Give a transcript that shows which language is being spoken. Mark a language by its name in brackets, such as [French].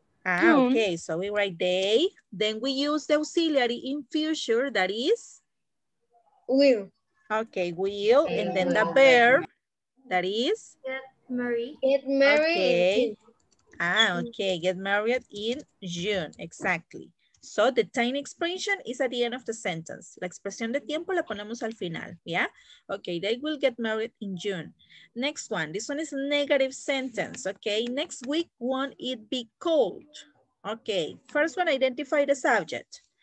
[English] Ah, okay, so we write they, then we use the auxiliary in future, that is? Will. Okay, will, and then the verb, that is? Get married. Okay. Ah, okay, get married in June, exactly. So the time expression is at the end of the sentence. [Spanish] La expresión de tiempo la ponemos al final, yeah? [English] Okay, they will get married in June. Next one, this one is a negative sentence, okay? Next week, won't it be cold? Okay, first one, identify the subject.